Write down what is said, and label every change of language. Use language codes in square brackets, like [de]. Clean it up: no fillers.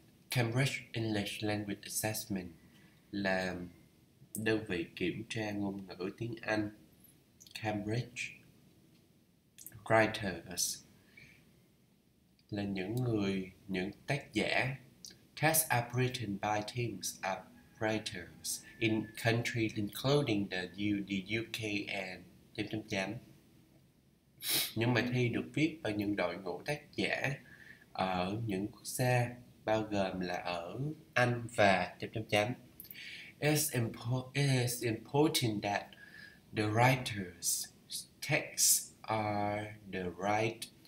[vi] Cambridge English Language Assessment, là đơn vị kiểm tra ngôn ngữ tiếng Anh. Cambridge writers, là những tác giả. [en] Tests are written by teams of writers in countries including the UK and... [vi] Những bài thi được viết bởi những đội ngũ tác giả ở những quốc gia bao gồm là ở Anh và... [en] It is important that the writers' texts are the right...